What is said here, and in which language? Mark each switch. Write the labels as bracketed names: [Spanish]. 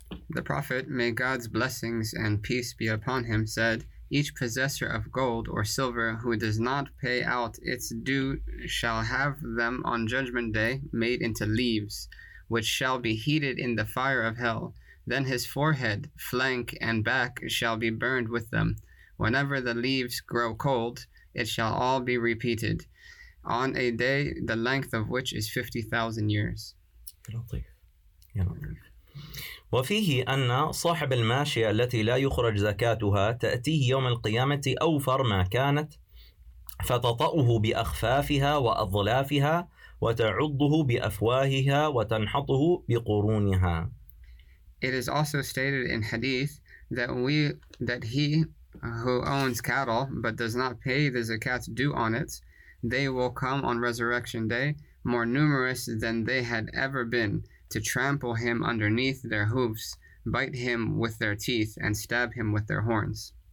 [English] The Prophet, may God's blessings and peace be upon him, said, each possessor of gold or silver who does not pay out its due shall have them on judgment day made into leaves, which shall be heated in the fire of hell. Then his forehead, flank, and back shall be burned with them. Whenever the leaves grow cold, it shall all be repeated, on a day the length of which is 50,000 years. [Arabic] وفيه أن صاحب الماشية التي لا يخرج زكاتها تأتيه يوم القيامة أوفر ما كانت فتطأه بأخفافها وأظلافها وتعضه بأفواهها وتنحطه بقرونها. [English] It is also stated in hadith that he who owns cattle but does not pay the zakat due on it, they will come on resurrection day more numerous than they had ever been to trample him underneath their hoofs, bite him with their teeth, and stab him with their horns.